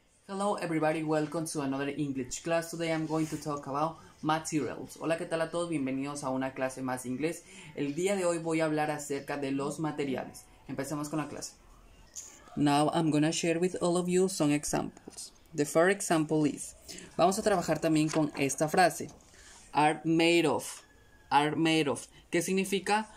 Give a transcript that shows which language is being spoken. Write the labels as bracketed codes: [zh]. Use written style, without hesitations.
[en] Hello everybody, welcome to another English class. Today I'm going to talk about materials. [es] Hola, ¿qué tal a todos? Bienvenidos a una clase más de inglés. El día de hoy voy a hablar acerca de los materiales. Empecemos con la clase. [en] Now I'm gonna share with all of you some examples. The first example is, [es] vamos a trabajar también con esta frase. [en] Are made of. [es] ¿Qué significa?